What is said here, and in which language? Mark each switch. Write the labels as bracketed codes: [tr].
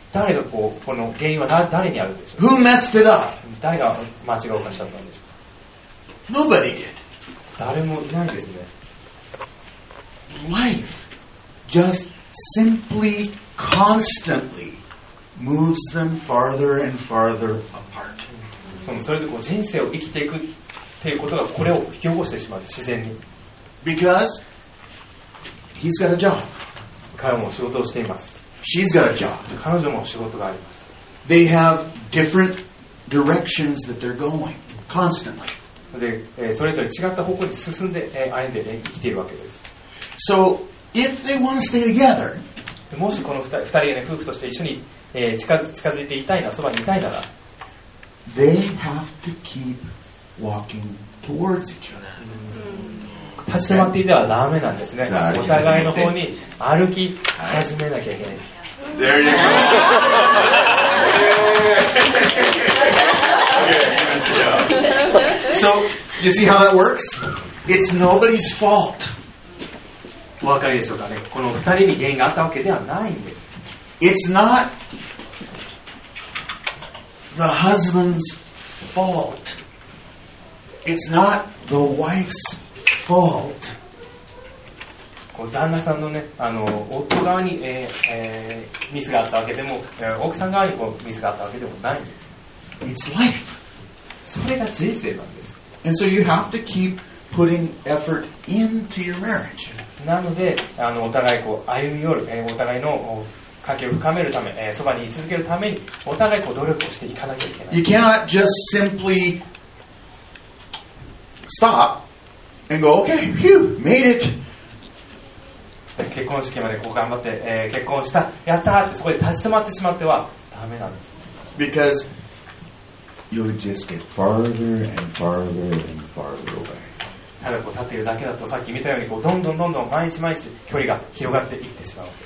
[ja] 誰がこうこの原因は誰にあるんでしょう。 [en] Who messed it up? [ja] 誰が間違いを犯しちゃったんでしょう。 [en] Nobody did. [ja] 誰もいないですね。 [en] Life just simply constantly moves them farther and farther apart. [ja] それでこう人生を生きていくっていうことがこれを引き起こしてしまう自然に。 [en] Because He's got a job. [ja] 彼も仕事をしています。 [en] She's got a job. [ja] 彼女も仕事があります。 [en] They have different directions that they're going constantly. [ja] で、それぞれ違った方向に進んで、歩んで、ね、生きているわけです。 [en] So if they want to stay together, [ja] もしこの二人、ね、夫婦として一緒に、近づいていたいな、そばにいたいなら、 [en] they have to keep walking towards each other. [ja] 立ち止まっていてはダメなんですね。お互いの方に歩き始めなきゃいけない。はい、 [en] There you go. Okay. So, you see how that works? It's nobody's fault. [ja] お分かりでしょうかね。この二人に原因があったわけではないんです。 [en] It's not the husband's fault. It's not the wife's fault. Fault. [ja] こう旦那さんのね、あの夫側に、ミスがあったわけでも、奥さん側にこうミスがあったわけでもないんです。 [en] It's life. [ja] それが人生なんです。 [en] And so you have to keep putting effort into your marriage. [ja] なので、あのお互いこう歩み寄る、お互いの関係を深めるため、そばに居続けるためにお互いこう努力をしていかなきゃいけない。 [en] You cannot just simply stop. And go, okay, phew, made it. [ja] 結婚式までこう頑張って、結婚したやったーってそこで立ち止まってしまってはダメなんです。 [en] Because you just get farther and farther and farther away. [ja] ただこう立っているだけだとさっき見たようにこうどんどんどんどん毎日毎日距離が広がっていってしまう。